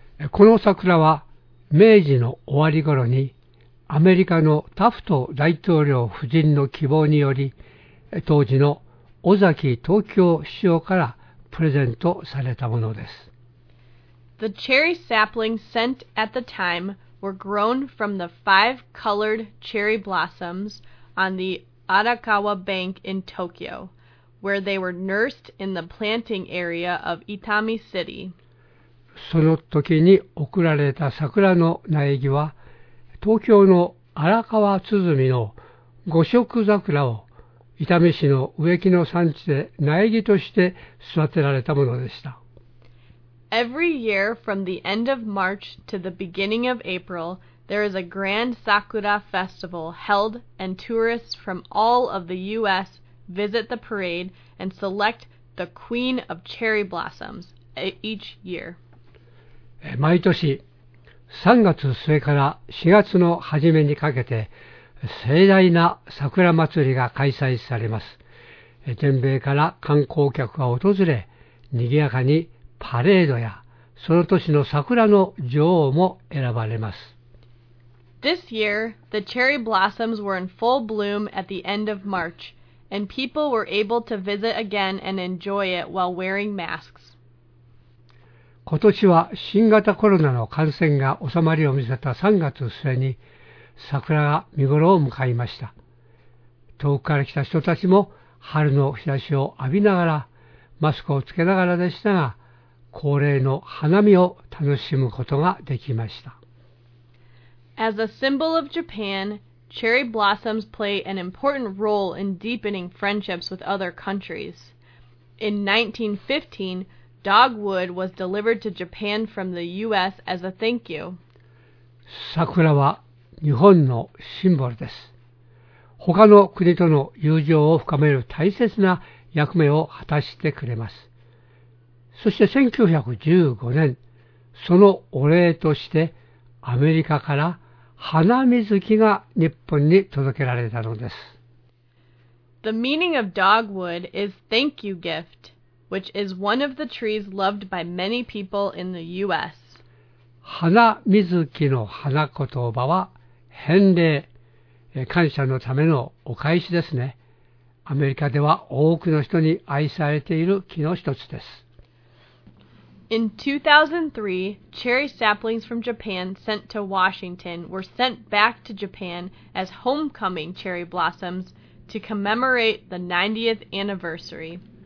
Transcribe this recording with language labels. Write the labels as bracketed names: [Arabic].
[Japanese] この桜は明治の終わり頃にアメリカのタフト大統領夫人の希望により当時の尾崎東京市長からプレゼントされたものです。 [English] The cherry saplings sent at the time were grown from the five colored cherry blossoms on the Arakawa bank in Tokyo, where they were nursed in the planting area of Itami City. [Japanese] その時に贈られた桜の苗木は、東京の荒川つづみの五色桜を伊丹市の植木の産地で苗木として育てられたものでした。 [English] Every year from the end of March to the beginning of April, there is a grand sakura festival held and tourists from all of the U.S. visit the parade and select the queen of cherry blossoms each year. [Japanese] 毎年3月末から4月の初めにかけて盛大な桜祭りが開催されます。全米から観光客が訪れ、にぎやかにパレードやその年の桜の女王も選ばれます。 [English] This year, the cherry blossoms were in full bloom at the end of March, and people were able to visit again and enjoy it while wearing masks. [Japanese] 今年は新型コロナの感染が収まりを見せた3月末に、桜が見頃を迎えました。遠くから来た人たちも春の日差しを浴びながら、マスクをつけながらでしたが、恒例の花見を楽しむことができました。 [English] As a symbol of Japan, cherry blossoms play an important role in deepening friendships with other countries. In 1915, dogwood was delivered to Japan from the U.S. as a thank you. [Japanese] 桜は日本のシンボルです。他の国との友情を深める大切な役目を果たしてくれます。そして1915年、そのお礼としてアメリカから花水木が日本に届けられたのです。 [English] The meaning of dogwood is thank you gift, which is one of the trees loved by many people in the U.S. [Japanese] 花水木の花言葉は返礼、感謝のためのお返しですね。アメリカでは多くの人に愛されている木の一つです。 [English] In 2003, cherry saplings from Japan sent to Washington were sent back to Japan as homecoming cherry blossoms to commemorate the 90th anniversary.